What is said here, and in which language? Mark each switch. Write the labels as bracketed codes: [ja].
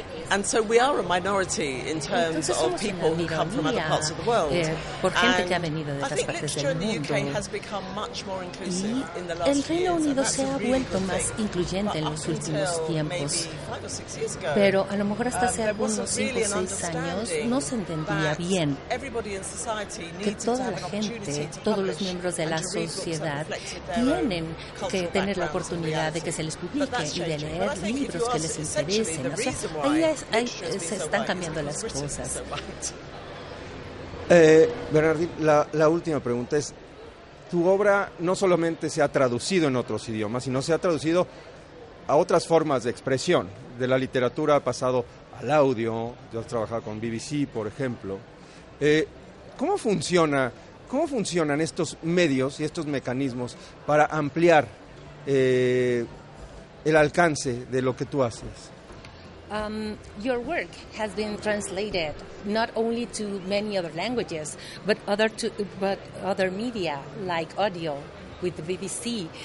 [en] And so we are a minority in terms of people who come from other parts of the world. And I think literature in the UK has become much more inclusive in the last years. [es] El Reino Unido se ha vuelto [en] really [es] más incluyente en los últimos tiempos. Ago, pero a lo mejor hasta hace algunos 5 o 6 años no se entendía bien que toda la gente, todos los miembros de la sociedad, tienen que tener la oportunidad de que se les publique y de leer libros que les interesen. O sea, ahí se están cambiando las cosas. Bernardín, la última pregunta es, tu obra no solamente se ha traducido en otros idiomas, sino se ha traducido a otras formas de expresión. De la literatura ha pasado al audio, yo he trabajado con BBC, por ejemplo. ¿Cómo funcionan estos medios y estos mecanismos para ampliar el alcance de lo que tú haces? [en] Your work has been translated not only to many other languages, but other media like audio with the BBC.